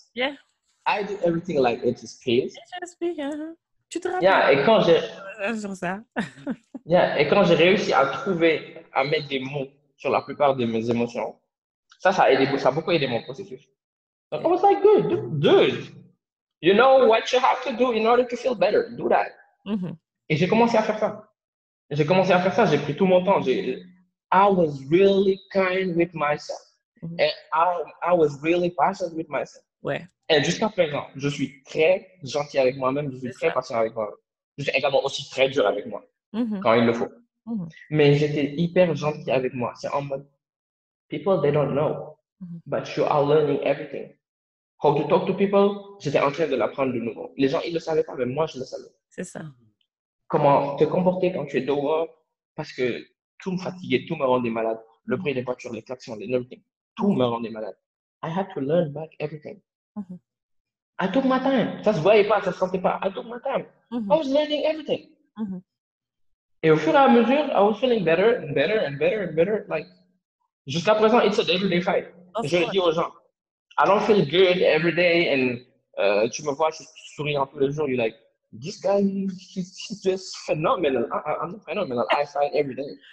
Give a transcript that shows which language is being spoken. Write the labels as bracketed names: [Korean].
[English] Yeah. I do everything like it is please. [French] HSP, tu te rappelles? Yeah, et quand j'ai sur ça. Yeah, et quand j'ai réussi à trouver, à mettre des mots sur la plupart de mes émotions, ça a aidé, ça a beaucoup aidé mon processus. [English] Yeah. I was like, good, dude. You know what you have to do in order to feel better. Do that. Mm-hmm. [French] Et j'ai commencé à faire ça. J'ai commencé à faire ça. J'ai pris tout mon temps. [English] I was really kind with myself. Mm-hmm. And I was really patient with myself. [French] Ouais. Et jusqu'à présent, je suis très gentil avec moi-même, je suis très patient avec moi-même. Je suis également aussi très dur avec moi, mm-hmm. quand il le faut. Mm-hmm. Mais j'étais hyper gentil avec moi. C'est en mode, [English] people, they don't know, [French] mm-hmm. [English] but you are learning everything. How to talk to people, [French] j'étais en train de l'apprendre de nouveau. Les gens, ils ne le savaient pas, mais moi, je le savais. C'est ça. Comment te comporter quand tu es dehors, parce que tout me fatiguait, tout me rendait malade. Le bruit des voitures, les klaxons, les nerfs, tout me rendait malade. [English] I had to learn back everything. Mm-hmm. I took my time. [French] Ça se voyait pas, ça se sentait pas. [English] I took my time. Mm-hmm. I was learning everything. Mm-hmm. [French] Et au fur et à mesure, [English] I was feeling better and better and better and better. [French] Like, jusqu'à présent, [English] it's a everyday fight. [French] Je le dis aux gens. [English] I don't feel good every day. And [French] tu me vois, je souris un peu le jour. [English] You're like, this guy, he's just phenomenal. I'm not phenomenal. I fight every day.